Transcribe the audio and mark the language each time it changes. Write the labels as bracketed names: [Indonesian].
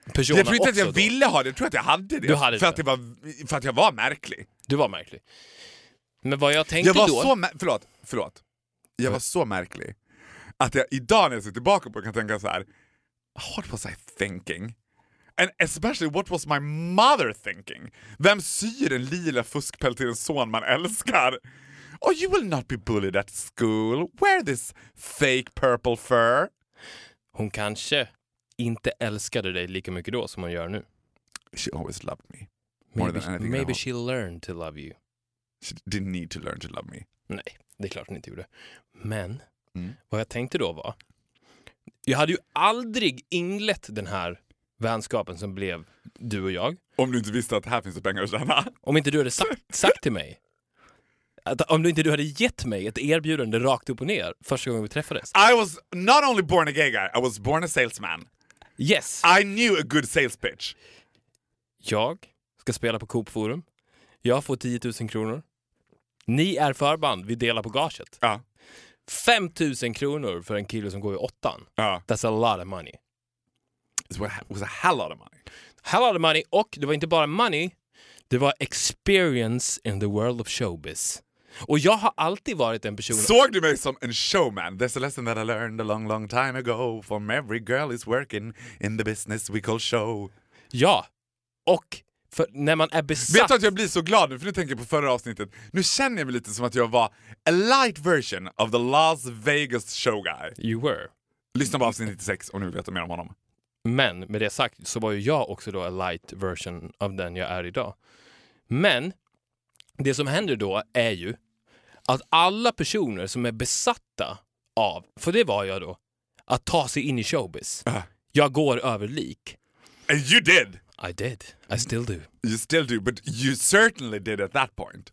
[Swedish] Jag tror inte att jag ville ha det, jag tror att jag hade det. Du hade det. För att jag var märklig. Du var märklig. Men vad jag tänkte jag var då... Förlåt. Jag var så märklig att jag idag när jag ser tillbaka på kan tänka så här: [English] what was I thinking? And especially what was my mother thinking? [Swedish] Vem syr en lila fuskpäl till en son man älskar? [English] Oh, you will not be bullied at school. Wear this fake purple fur. [Swedish] Hon kanske inte älskade dig lika mycket då som hon gör nu. [English] She always loved me. Maybe she learned to love you. She didn't need to learn to love me. [Swedish] Nej, det är klart hon inte gjorde. Men, vad jag tänkte då var... Jag hade ju aldrig inlett den här vänskapen som blev du och jag. Om du inte visste att här finns pengar att tjäna. Om inte du hade sagt till mig... Att om du inte hade gett mig ett erbjudande rakt upp och ner första gången vi träffades. [English] I was not only born a gay guy, I was born a salesman. Yes. I knew a good sales pitch. [Swedish] Jag ska spela på Coop Forum. Jag får 10 000 kronor. Ni är förband, vi delar på gaget. 5 000 kronor för en kille som går i åttan. [English] That's a lot of money. It was a hell lot of money. Hell lot of money, [Swedish] och det var inte bara [English] money. [Swedish] Det var [English] experience in the world of showbiz. [Swedish] Och jag har alltid varit en person... Såg du mig som en showman? [English] There's a lesson that I learned a long, long time ago. From every girl is working in the business we call show. [Swedish] Ja. Och för när man är besatt... Vet du att jag blir så glad nu? För nu tänker jag på förra avsnittet. Nu känner jag mig lite som att jag var [English] a light version of the Las Vegas show guy. You were. [Swedish] Lyssna på avsnitt 96 och nu vet jag mer om honom. Men med det sagt så var ju jag också då [English] a light version [Swedish] av den jag är idag. Men... Det som händer då är ju att alla personer som är besatta av, för det var jag då, att ta sig in i showbiz. Jag går över lik. [English] And you did. I did. I still do. You still do, but you certainly did at that point.